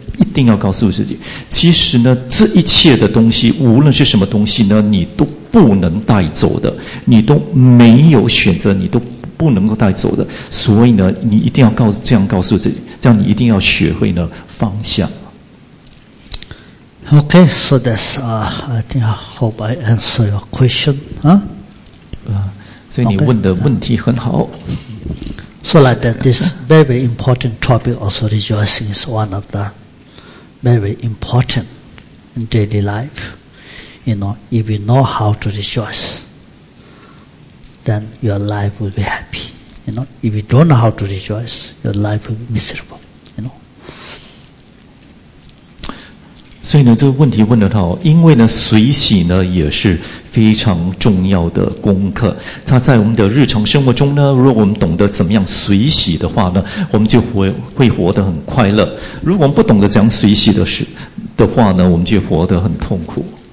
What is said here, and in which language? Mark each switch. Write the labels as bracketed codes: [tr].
[zh] 一定要告诉自己，其实呢，这一切的东西，无论是什么东西呢，你都不能带走的，你都没有选择，你都不能够带走的。所以呢，你一定要告诉自己，这样你一定要学会呢放下。 [en] Okay, so that's I think I hope I answer your question, huh? [zh] 所以你问的问题很好。 [en] So like that, this very, very important topic, also rejoicing is one of the. Very important in daily life. You know, if you know how to rejoice, then your life will be happy. You know, if you don't know how to rejoice, your life will be miserable. You know. [zh] 所以呢，这个问题问得好，因为呢，随喜呢也是非常重要的功课。它在我们的日常生活中呢，如果我们懂得怎么样随喜的话呢，我们就会活得很快乐。如果我们不懂得怎样随喜的话呢，我们就活得很痛苦。